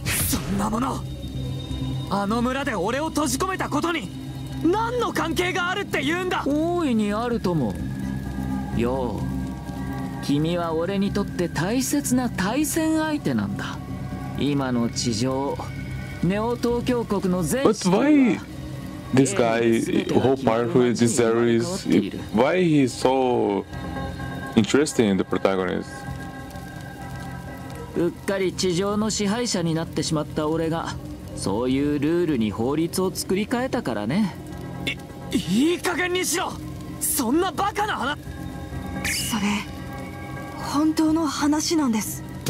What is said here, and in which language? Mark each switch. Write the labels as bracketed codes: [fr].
[ja] そんなもの、あの村で俺を閉じ込めたことに何の関係があるって言うんだ。大いにあると思う。よう、君は俺にとって大切な対戦相手なんだ。今の地上、ネオ東京国の全市は。 [en] But why this guy, how powerful this Zero is, why he so interesting in the protagonist? [ja] うっかり地上の支配者になってしまった俺がそういうルールに法律を作り変えたからね。いい加減にしろ。そんなバカな話。それ本当の話なんです。